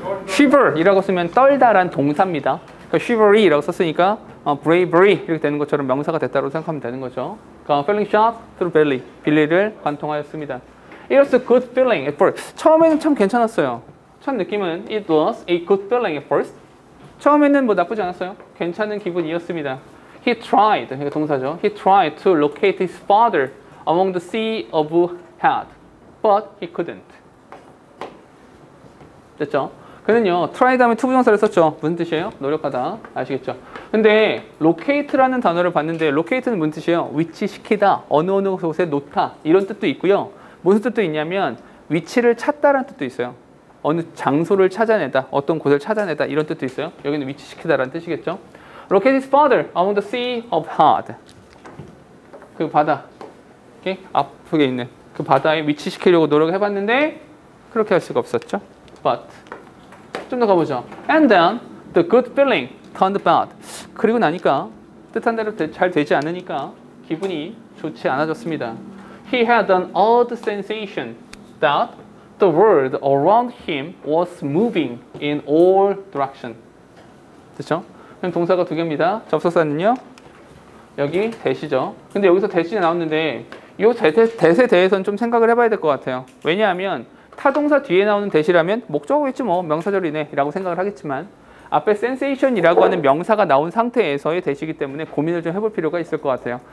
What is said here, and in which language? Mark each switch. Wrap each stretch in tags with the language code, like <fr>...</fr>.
<ko>Shiver이라고 쓰면 떨다라는 동사입니다. 그러니까 Shivery라고 썼으니까 bravery 이렇게 되는 것처럼 명사가 됐다고 생각하면 되는 거죠. 그러니까</ko> <en>falling shot through Billy.</en> <ko>빌리를 관통하였습니다.</ko> <en>It was a good feeling at first.</en> <ko>처음에는 참 괜찮았어요. 첫 느낌은</ko> <en>it was a good feeling at first.</en> <ko>처음에는 뭐 나쁘지 않았어요. 괜찮은 기분이었습니다.</ko> <en>He tried,</en> <ko>이게 동사죠.</ko> <en>He tried to locate his father among the sea of head, but he couldn't.</en> <ko>됐죠? 그는요, tried 하면 to 부정사를 썼죠. 무슨 뜻이에요? 노력하다. 아시겠죠? 근데 locate라는 단어를 봤는데 locate는 무슨 뜻이에요? 위치시키다, 어느 어느 곳에 놓다 이런 뜻도 있고요. 무슨 뜻도 있냐면 위치를 찾다라는 뜻도 있어요. 어느 장소를 찾아내다, 어떤 곳을 찾아내다 이런 뜻도 있어요. 여기는 위치시키다라는 뜻이겠죠.</ko> <en>Locate his father among the sea of hard.</en> <ko>그 바다, 이렇게 앞쪽에 있는 그 바다에 위치시키려고 노력해봤는데 그렇게 할 수가 없었죠.</ko> <en>But</en> <ko>좀 더 가보죠.</ko> <en>And then the good feeling turned bad.</en> <ko>그리고 나니까 뜻한 대로 잘 되지 않으니까 기분이 좋지 않아졌습니다.</ko> <en>He had an odd sensation that the world around him was moving in all directions.</en> <ko>됐죠? 그럼 동사가 두 개입니다. 접속사는요? 여기 that이죠. 근데 여기서 that이 나왔는데 이 that에 대해서는 좀 생각을 해봐야 될 것 같아요. 왜냐하면 타동사 뒤에 나오는 that이라면 목적어겠지 뭐 명사절이네 라고 생각을 하겠지만 앞에 sensation이라고 하는 명사가 나온 상태에서의 that이기 때문에 고민을 좀 해볼 필요가 있을 것 같아요.</ko>